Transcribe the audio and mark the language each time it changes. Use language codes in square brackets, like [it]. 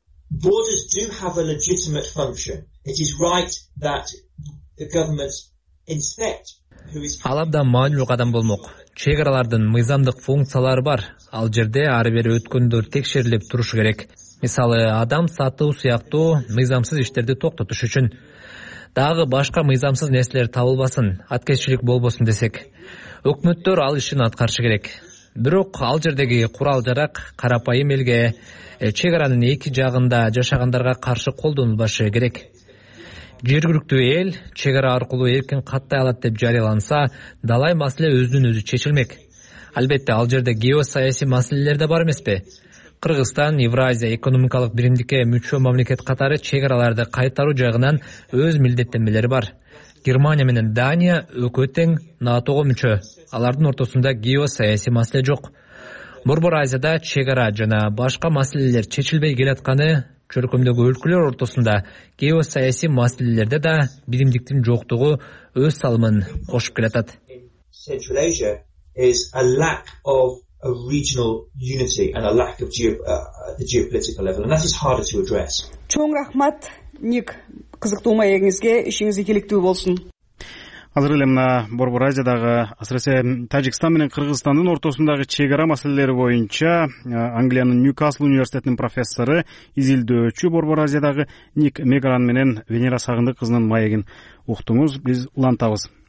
[en] Borders do have a legitimate function. It is right that the government inspect who is. [ky] Ал абдан маанилүү кадам болмок. Чек аралардын мыйзамдык функциялары бар. Ал жерде ар бир өткөндөр текшерилип туруш керек. Мисалы, адам сатуу сыяктуу мыйзамсыз иштерди токтотуш үчүн. Дагы башка мыйзамсыз нерселер табылбасын, аткезчилик болбосун десек. Өкмөттөр ал ишин аткарышы керек. Бирок ал жердеги курал жарак карапайым элге, чек аранын эки жагында жашагандарга каршы колдонулбашы керек. Жергиликтүү эл чек ара аркылуу эркин каттай алат деп жарыяланса, далай маселе өзүнөн өзү чечилмек. Албетте, ал жерде геосаясий маселелер да бар эмеспи? Кыргызстан Евразия экономикалык биримдикке мүчө мамлекет катары чек араларды кайтаруу жагынан өз милдеттенмелери бар. Германия менен Дания өкө тең НАТОго мүчө. Алардын ортосунда геосаясий маселе жок. Борбор Азияда чек ара жана башка маселелер чечилбей келатканы чөлкөмдөгү өлкөлөр ортосунда геосаясий маселелерде да биримдиктин жоктугу өз салымын кошуп келатат. [en] Central Asia is a lack of a regional unity and a lack of the geopolitical level, and that is harder to address. [ky] Чоң рахмат, Ник. Кызыктуу маегиңизге, ишиңиз ийгиликтүү болсун. Азыр эле мына Борбор Азиядагы, асыресе Тажикстан менен Кыргызстандын ортосундагы чек ара маселелери боюнча Англиянын Ньюкасл университетинин профессору, изилдөөчү Борбор Азиядагы Ник Мегаран менен Венера Сагындык кызынын маегин уктуңуз, биз улантабыз.